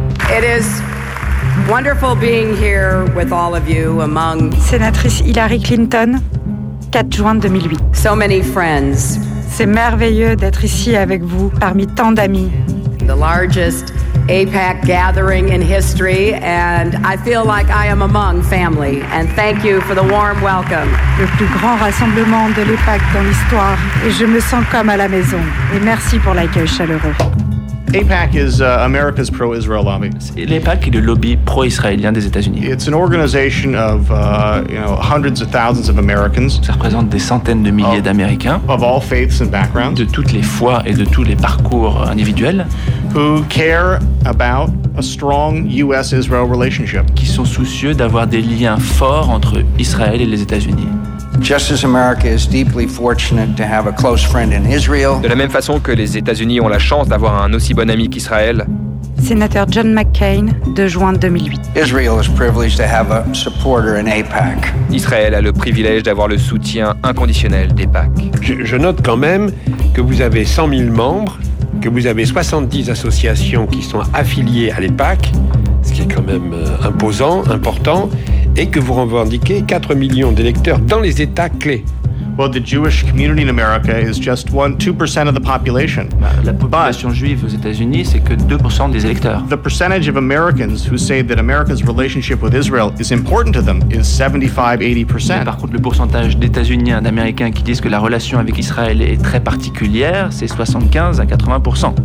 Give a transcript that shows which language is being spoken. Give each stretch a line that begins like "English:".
English: It is wonderful being here with all of you among
French: sénatrice Hillary Clinton, 4 juin 2008.
English: So many friends.
French: C'est merveilleux d'être ici avec vous parmi tant d'amis.
English: The largest APAC gathering in history, and I feel like I am among family. And thank you for the warm welcome.
French: Le plus grand rassemblement de l'APAC dans l'histoire, et je me sens comme à la maison. Et merci pour l'accueil chaleureux.
English: APAC is America's pro-Israel lobby.
French: L'APAC est le lobby pro-israélien des États-Unis.
English: It's an organization of hundreds of thousands of Americans.
French: Ça représente des centaines de milliers d'Américains.
English: Of all faiths and backgrounds.
French: De toutes les fois et de tous les parcours individuels.
English: Who care about a strong U.S.-Israel relationship.
French: Qui sont soucieux d'avoir des liens forts entre Israël et les États-Unis.
English: Just as America is deeply fortunate to have a close friend in Israel.
French: De la même façon que les États-Unis ont la chance d'avoir un aussi bon ami qu'Israël. Sénateur John McCain, 2 juin 2008.
English: Israel is privileged to have a supporter in APAC.
French: Israël a le privilège d'avoir le soutien inconditionnel d'APAC. Je note quand même que vous avez 100 000 membres, que vous avez 70 associations qui sont affiliées à l'APAC, ce qui est quand même imposant, important, et que vous revendiquez 4 millions d'électeurs dans les États clés.
English: Well, the Jewish community in America is just 2% of the population.
French: La population juive aux États-Unis, c'est que 2% des électeurs.
English: The percentage of Americans who say that America's relationship with Israel is important to them is 75-80%.
French: Par contre, le pourcentage d'États-Unis d'Américains qui disent que la relation avec Israël est très particulière, c'est 75-80%.